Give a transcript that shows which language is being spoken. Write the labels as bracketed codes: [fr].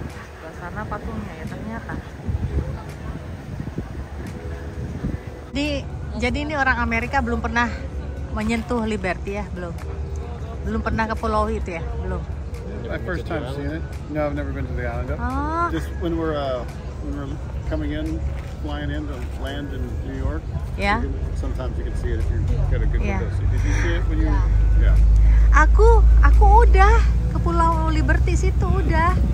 [id] Sebelah sana patungnya ya ternyata. Jadi ini orang Amerika belum pernah menyentuh Liberty ya? Belum? Belum pernah ke pulau itu ya? Belum? [en] My first time seeing it. No, I've never been to the island. Oh. Just when we're coming in, flying in to land in New York. Yeah. Sometimes you can see it if you get a good yeah. window seat. Did you see it when you? Yeah. Yeah. [id] Aku udah ke Pulau Liberty situ udah.